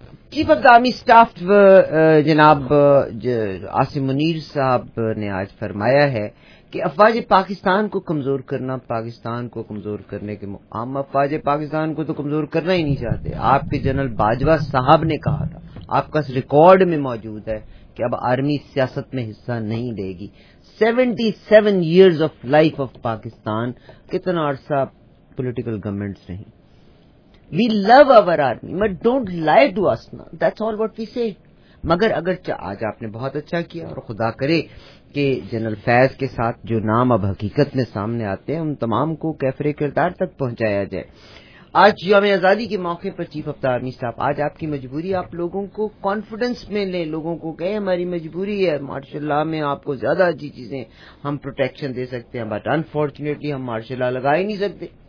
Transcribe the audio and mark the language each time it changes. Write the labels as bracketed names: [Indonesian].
[Urdu] Chief of the army staff جناب آصف منیر صاحب نے آج فرمایا ہے کہ افواج پاکستان کو کمزور کرنا پاکستان کو کمزور کرنے کے, ہم افواج پاکستان کو تو کمزور کرنا ہی نہیں چاہتے. آپ کے جنرل باجوا صاحب نے کہا تھا, آپ کا ریکارڈ میں موجود ہے, کہ اب آرمی سیاست میں حصہ نہیں لے گی. [English] 77 years of life of Pakistan, [Urdu] کتنا عرصہ پولیٹیکل گورنمنٹس نہیں. [English] We love our army, but don't lie to us now. That's all what we say. [Urdu] مگر اگر آج آپ نے بہت اچھا کیا, اور خدا کرے کہ جنرل فیض کے ساتھ جو نام اب حقیقت میں سامنے آتے ہیں, ان تمام کو کیفر کردار تک پہنچایا جائے. آج یوم آزادی کے موقع پر چیف آف دا آرمی صاحب, آج آپ کی مجبوری آپ لوگوں کو کانفیڈنس میں لیں, لوگوں کو کہیں ہماری مجبوری ہے, مارشاء اللہ میں آپ کو زیادہ اچھی چیزیں ہم پروٹیکشن دے سکتے ہیں, بٹ انفارچونیٹلی ہم مارشاء اللہ لگا ہی نہیں سکتے.